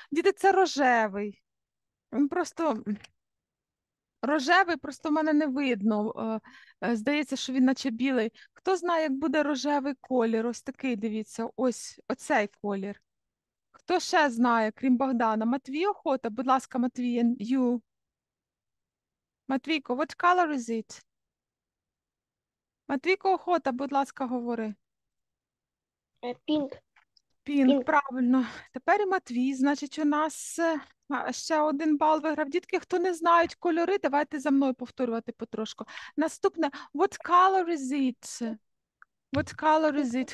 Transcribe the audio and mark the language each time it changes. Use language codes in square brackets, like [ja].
[uk] Діти, це рожевий. Просто рожевий, просто в мене не видно. Здається, що він наче білий. Хто знає, як буде рожевий колір? Ось такий, дивіться, ось оцей колір. Хто ще знає, крім Богдана? Матвій Охота? Будь ласка, Матвій, you. [en] Матвійко, what color is it? [uk] Матвійко Охота, будь ласка, говори. [en] Pink. [uk] Пінк, правильно. Тепер і Матвій, значить, у нас ще один бал виграв. Дітки, хто не знають кольори, давайте за мною повторювати потрошку. [en] Наступне. What color is it? What color is it?